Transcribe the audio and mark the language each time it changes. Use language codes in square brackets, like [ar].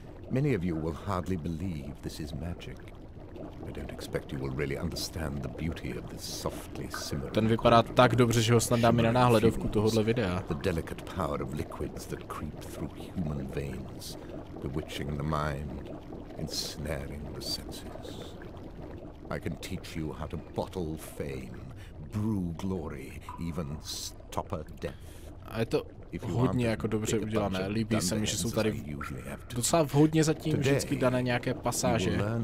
[en] Many of you will hardly believe this is magic. I don't expect you will really understand the beauty of this softly simmering. [cs] Ten vypadá tak dobře, že ho snad dáme na náhledovku tohohle videa. [en] The delicate power of liquids that creep through human veins, bewitching the mind, ensnaring the senses. I can teach you how to bottle fame, brew glory, even stopper death. [cs] A je to hodně jako dobře udělané. Líbí se mi, že jsou tady docela vhodně zatím vždycky dané nějaké pasáže.